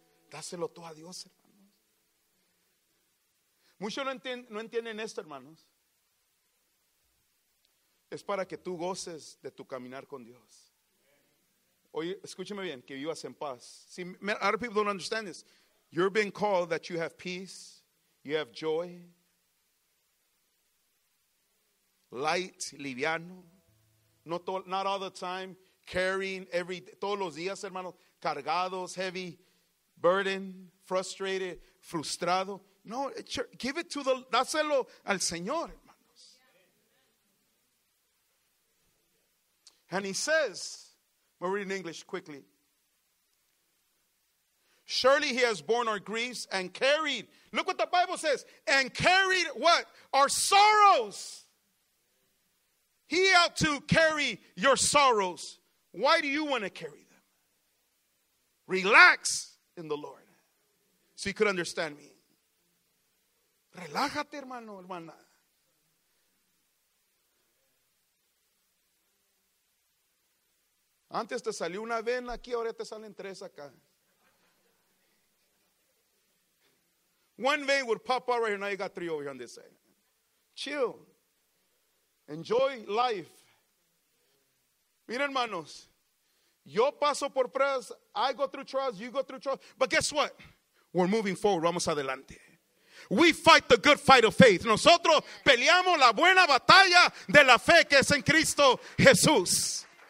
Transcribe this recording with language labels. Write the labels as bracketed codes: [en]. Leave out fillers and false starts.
[es] Dáselo tú a Dios, hermanos. Muchos no entienden esto, hermanos. Es para que tú goces de tu caminar con Dios. Oye, escúcheme bien, que vivas en paz. [en] See, a lot of people don't understand this. You're being called that you have peace, you have joy, light, liviano. Not all the time, carrying every, [es] todos los días, hermano, cargados, [en] heavy, burden, frustrated, frustrado. No, give it to the, [es] dáselo al Señor. [en] And he says, we'll read in English quickly. Surely he has borne our griefs and carried. Look what the Bible says. And carried what? Our sorrows. He ought to carry your sorrows. Why do you want to carry them? Relax in the Lord. So you could understand me. [es] Relájate, hermano, hermana. Antes te salió una vena aquí, ahora te salen tres acá. [en] One vein would pop out right here, now you got three over here on this side. Chill. Enjoy life. [es] Miren, hermanos. Yo paso por pruebas. [en] I go through trials, you go through trials. But guess what? We're moving forward. [es] Vamos adelante. [en] We fight the good fight of faith. [es] Nosotros peleamos la buena batalla de la fe que es en Cristo Jesús.